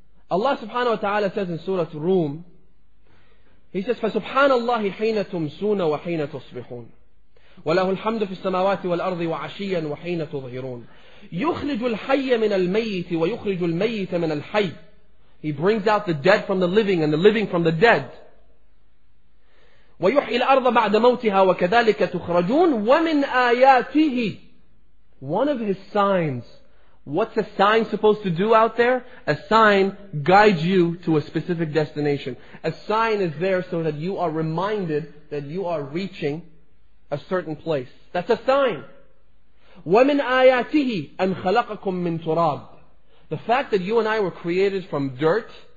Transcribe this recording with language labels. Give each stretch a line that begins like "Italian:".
Arabic: Allah subhanahu wa ta'ala says in Surah Rum, He says, فَسُبْحَانَ اللَّهِ حِينَ تُمْسُونَ وَحِينَ تُصْبِحُونَ وَلَهُ الْحَمْدُ فِي السَّمَاوَاتِ وَالْأَرْضِ وَعَشِيًّا وَحِينَ تُظْهِرُونَ يُخْرِجُ الْحَيَّ مِنَ الْمَيِّتِ وَيُخْرِجُ الْمَيِّتَ مِنَ الْحَيِّ
English: He brings out the dead from the living and the living from the dead.
Arabic: وَيُحْيِي الْأَرْضَ بَعْدَ مَوْتِهَا وَكَذَلِكَ تُخْرَجُونَ وَمِنْ آيَاتِهِ
English: One of his signs. What's a sign supposed to do out there? A sign guides you to a specific destination. A sign is there so that you are reminded that you are reaching a certain place. That's a sign.
Arabic: وَمِنْ آيَاتِهِ أَنْ خَلَقَكُمْ مِنْ تُرَابٍ
English: The fact that you and I were created from dirt.